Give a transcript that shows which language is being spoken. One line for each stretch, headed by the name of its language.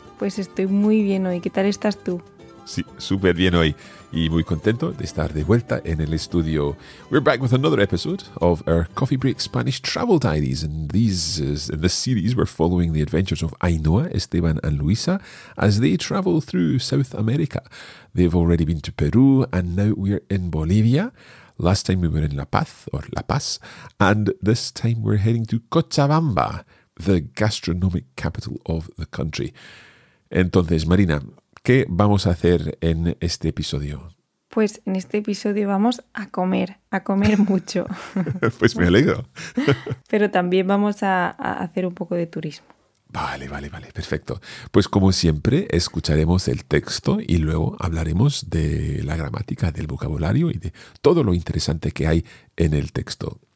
Spanish: Pues estoy muy bien hoy. ¿Qué tal estás tú? Sí, súper bien hoy. Y muy contento de estar de vuelta en el estudio.
English: We're back with another episode of our Coffee Break Spanish Travel Diaries. In this series, we're following the adventures of Ainhoa, Esteban and Luisa as they travel through South America. They've already been to Peru and now we're in Bolivia. Last time we were in La Paz, or La Paz, and this time we're heading to Cochabamba, the gastronomic capital of the country.
Spanish: Entonces, Marina, ¿qué vamos a hacer en este episodio? Pues en este episodio vamos a comer mucho. Pues me alegro. Pero también vamos a hacer un poco de turismo. Vale, vale, vale, perfecto. Pues como siempre, escucharemos el texto y luego hablaremos de la gramática, del vocabulario y de todo lo interesante que hay en el texto.